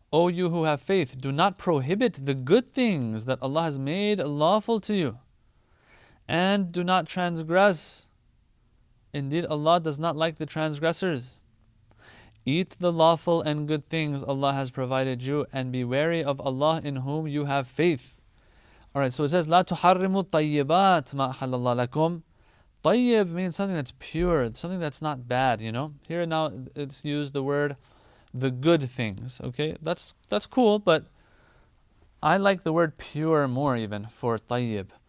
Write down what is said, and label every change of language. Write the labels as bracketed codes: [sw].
[en] O you who have faith, do not prohibit the good things that Allah has made lawful to you, and do not transgress. Indeed, Allah does not like the transgressors. Eat the lawful and good things Allah has provided you, and be wary of Allah in whom you have faith. Alright, so it says, [ar] لا تحرموا الطيبات ما أحل الله لكم. [en] طيب means something that's pure, something that's not bad, you know. Here now it's used the word, the good things, okay. That's cool, but I like the word pure more even for طيب.